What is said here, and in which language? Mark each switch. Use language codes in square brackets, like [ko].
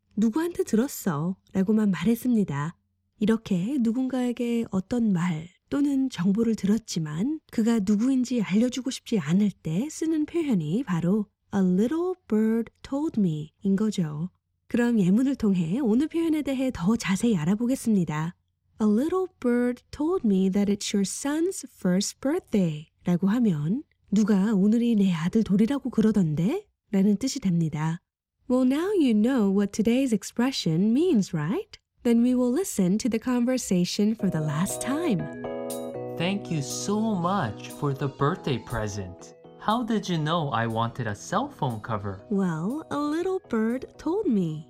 [ko] 누구한테 들었어? 라고만 말했습니다. 이렇게 누군가에게 어떤 말 또는 정보를 들었지만 그가 누구인지 알려주고 싶지 않을 때 쓰는 표현이 바로 [en] A little bird told me [ko] 인 거죠. 그럼 예문을 통해 오늘 표현에 대해 더 자세히 알아보겠습니다. [en] A little bird told me that it's your son's first birthday. [ko] 라고 하면 누가 오늘이 내 아들 돌이라고 그러던데? 라는 뜻이 됩니다. [en] Well, now you know what today's expression means, right? Then we will listen to the conversation for the last time. Thank you so much for the birthday present. How did you know I wanted a cell phone cover? Well, a little bird told me.